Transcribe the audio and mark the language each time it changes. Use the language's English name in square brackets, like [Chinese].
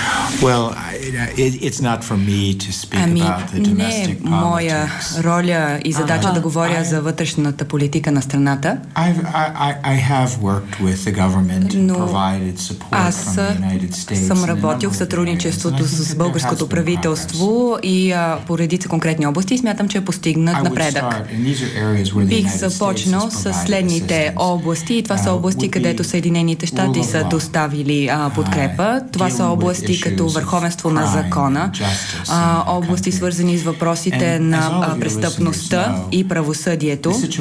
[English] Well, it's not for me to speak about the domestic politics. [Bulgarian] Не моя роля и задача да говоря за вътрешната политика на страната. [English] I have worked with the government and provided support from the United States. [Bulgarian] Аз съм работил в сътрудничеството с българското правителство и по редица конкретни области и смятам, че е постигнат напредък. Бих започнал с следните области и това са области, където Съединените щати са доставили подкрепа. Това са области като върховенство на закона, области свързани с въпросите на престъпността и правосъдието.